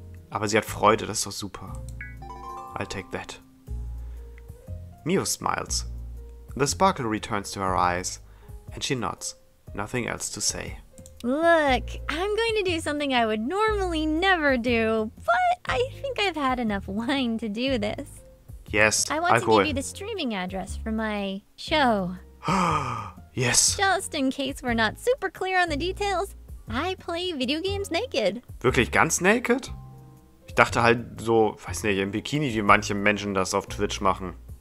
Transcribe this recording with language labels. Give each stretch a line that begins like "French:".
German: Aber sie hat Freude, das ist doch super.
English: I'll take that. Mio smiles. The sparkle returns to her eyes and she nods. Nothing else to say. Look, I'm going to do something I would normally never do, but I think I've had enough wine to do this. Yes, I want to give you the streaming address for my show. Yes. Just in case we're not super clear on the details, I play video games naked.
German: Wirklich ganz naked? Ich dachte halt so, weiß nicht, im Bikini, wie manche Menschen das auf Twitch machen.